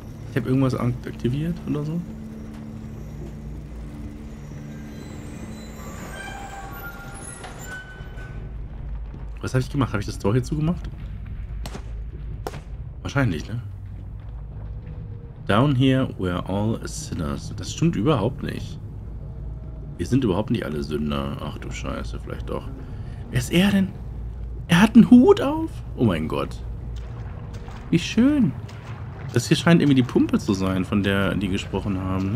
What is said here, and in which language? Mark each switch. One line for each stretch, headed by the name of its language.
German: Ich habe irgendwas aktiviert oder so. Was habe ich gemacht? Habe ich das Tor hier zugemacht? Wahrscheinlich, ne?
English: Down here we're all sinners.
German: Das stimmt überhaupt nicht. Wir sind überhaupt nicht alle Sünder. Ach du Scheiße, vielleicht doch. Wer ist er denn? Er hat einen Hut auf? Oh mein Gott. Wie schön. Das hier scheint irgendwie die Pumpe zu sein, von der die gesprochen haben.